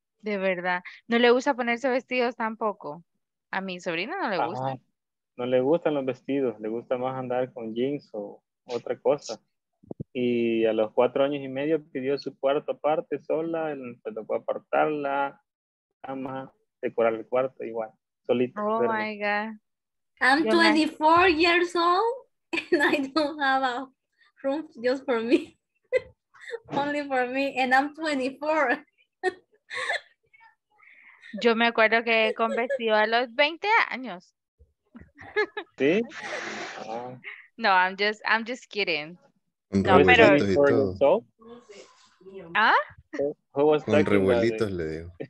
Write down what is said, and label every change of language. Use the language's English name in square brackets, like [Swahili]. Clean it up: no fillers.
[Spanish] De verdad. No le gusta ponerse vestidos tampoco. A mi sobrina no le gusta. No le gustan los vestidos, le gusta más andar con jeans o otra cosa. Y a los 4 años y medio pidió su cuarto aparte, sola, le tocó apartar la cama, decorar el cuarto, igual, solito. [English] Oh, ¿verdad? My God. I'm 24 years old, and I don't have a room just for me, only for me, and I'm 24. [Spanish] Yo me acuerdo que con vestido a los 20 años. ¿Sí? [English] No, I'm just kidding. [Spanish] Con no, revuelitos pero... y todo. ¿Ah? Con revuelitos, le digo.